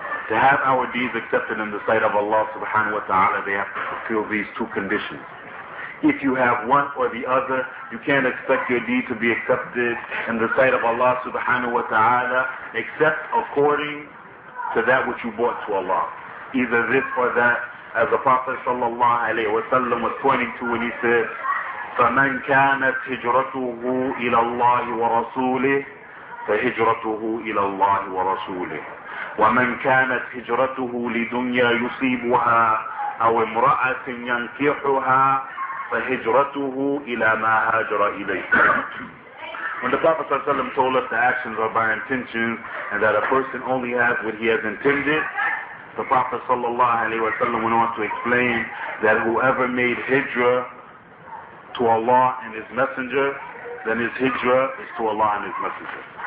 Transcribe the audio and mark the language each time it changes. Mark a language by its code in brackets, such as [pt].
[en] To have our deeds accepted in the sight of Allah subhanahu wa ta'ala, they have to fulfill these two conditions. If you have one or the other, you can't expect your deed to be accepted in the sight of Allah subhanahu wa ta'ala, except according to that which you brought to Allah. Either this or that, as the Prophet sallallahu alayhi wa sallam was pointing to when he said, [ar] فَمَنْ كَانَتْ هِجْرَتُهُ إِلَى اللَّهِ وَرَسُولِهِ فَهِجْرَتُهُ إِلَى اللَّهِ وَرَسُولِهِ وَمَنْ كَانَتْ هِجْرَتُهُ لِدُنْيَا يُصِيبُهَا أَوْ امْرَأَةٍ يَنْكِحُهَا فَهِجْرَتُهُ إِلَى مَا هَاجْرَ إِلَيْهِ. [en] When the Prophet Sallallahu Alaihi Wasallam told us the actions are by intention and that a person only has what he has intended, the Prophet Sallallahu Alaihi Wasallam went on to explain that whoever made hijrah to Allah and His Messenger, then his hijrah is to Allah and His Messenger.